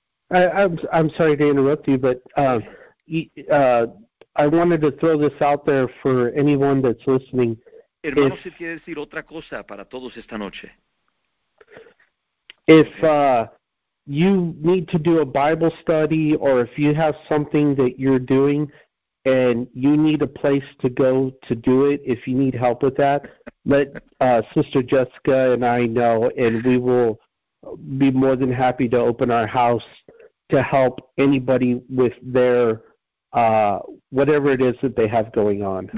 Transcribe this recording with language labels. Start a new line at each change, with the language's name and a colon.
English: I'm sorry to interrupt you, but I wanted to throw this out there for anyone that's listening.
Spanish: Hermano Sid quiere decir otra cosa para todos esta noche.
English: If... you need to do a Bible study, or if you have something that you're doing and you need a place to go to do it, if you need help with that, let Sister Jessica and I know, and we will be more than happy to open our house to help anybody with their whatever it is that they have going on.